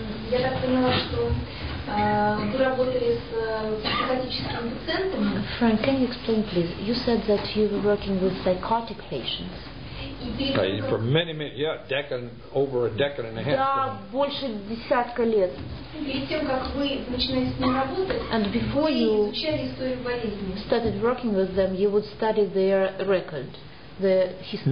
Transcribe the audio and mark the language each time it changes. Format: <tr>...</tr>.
<ru>Я так поняла, что вы работали с психотическими пациентами.</ru> <en>Frank, can you explain, please? You said that you were working with psychotic patients. For many minutes, yeah, over a decade and a half.</en> <ru>Да, больше десятка лет. Перед тем, как вы начинали с ними работать,</ru> <en>and before you started working with them, you would study their record, the history.</en>